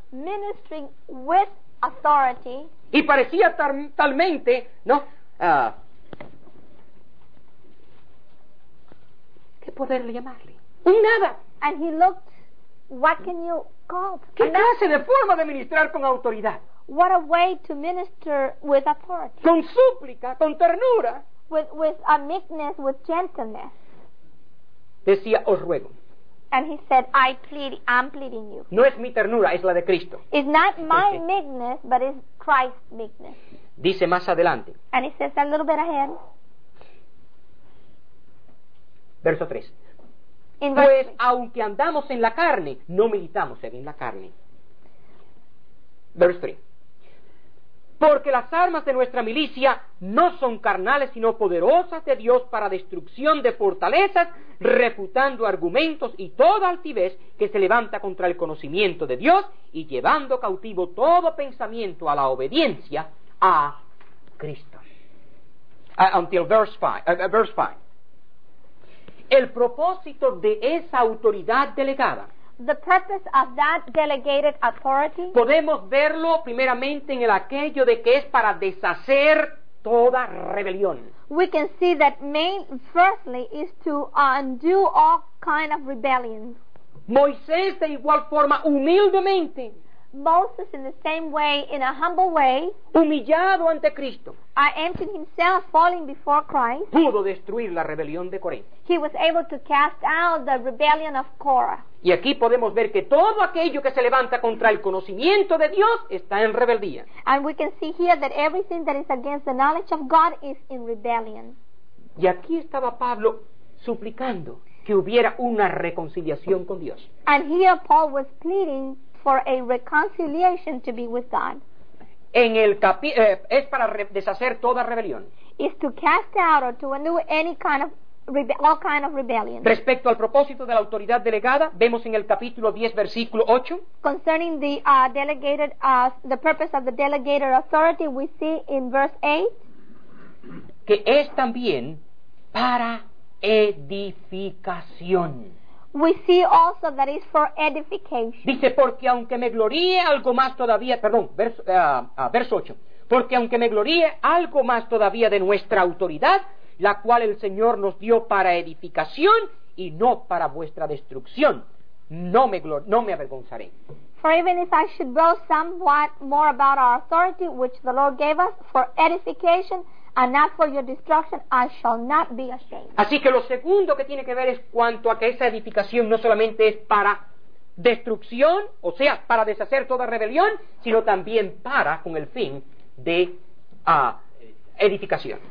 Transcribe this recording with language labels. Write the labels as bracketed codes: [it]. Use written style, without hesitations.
[en] Ministering with authority. [es] Y parecía talmente, ¿no? ¿Qué poderle llamarle? Un nada. [en] And he looked, what can you call? [es] ¿Qué clase de forma de ministrar con autoridad? [en] What a way to minister with authority. [es] Con súplica, con ternura. [en] With a meekness, with gentleness. [es] Decía, os ruego. [en] And he said, I plead, I'm pleading you. [es] No es mi ternura, es la de Cristo. [en] It's not my meekness, but it's Christ's meekness. [es] Dice más adelante. [en] And he says a little bit ahead. [es] Verso 3. [en] In verse 3. [es] Pues aunque andamos en la carne, no militamos según la carne. [en] Verse 3. [es] Porque las armas de nuestra milicia no son carnales, sino poderosas de Dios para destrucción de fortalezas, refutando argumentos y toda altivez que se levanta contra el conocimiento de Dios y llevando cautivo todo pensamiento a la obediencia a Cristo. [en] Until verse 5. [es] El propósito de esa autoridad delegada. [en] The purpose of that delegated authority. [es] Podemos verlo primeramente en el aquello de que es para deshacer toda rebelión. [en] We can see that firstly is to undo all kind of rebellion. [es] Moisés de igual forma humildemente. [en] Moses in the same way, in a humble way. [es] Humillado ante Cristo. [en] I emptied himself, falling before Christ. [es] Pudo destruir la rebelión de Corinto. [en] He was able to cast out the rebellion of Korah. [es] Y aquí podemos ver que todo aquello que se levanta contra el conocimiento de Dios está en rebeldía. [en] And we can see here that everything that is against the knowledge of God is in rebellion. [es] Y aquí estaba Pablo suplicando que hubiera una reconciliación con Dios. [en] And here Paul was pleading for a reconciliation to be with God. [es] En el es para deshacer toda rebelión. [en] Is to cast out or to undo any kind of all kind of rebellion. [es] Respecto al propósito de la autoridad delegada, vemos en el capítulo 10, versículo 8. [en] Concerning the delegated the purpose of the delegated authority, we see in verse 8 [es] que es también para edificación. [en] We see also that it's for edification. [es] Dice, porque aunque me gloríe algo más todavía, verso 8. Porque aunque me gloríe algo más todavía de nuestra autoridad, la cual el Señor nos dio para edificación y no para vuestra destrucción, no me avergonzaré. [en] For even if I should boast somewhat more about our authority which the Lord gave us for edification and not for your destruction, I shall not be ashamed. [es] Así que lo segundo que tiene que ver es cuanto a que esa edificación no solamente es para destrucción, o sea, para deshacer toda rebelión, sino también para, con el fin de edificación.